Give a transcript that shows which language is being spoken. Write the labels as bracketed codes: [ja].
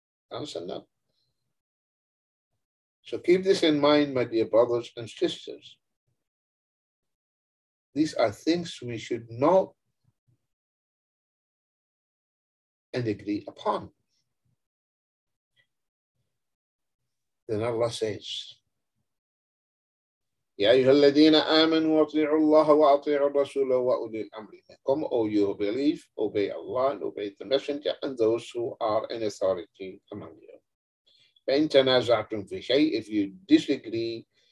[en] Answer now. So keep this in mind, my dear brothers and sisters. These are things we should know and agree upon. [ar] Then Allah says, يا أيها الذين آمنوا واطيعوا الله واطيعوا الرسول وأولي الأمر منكم. [en] O you who believe, obey Allah and obey the Messenger and those who are in authority among you. [ar] فإن تنازعتم في شيء, [en] if you disagree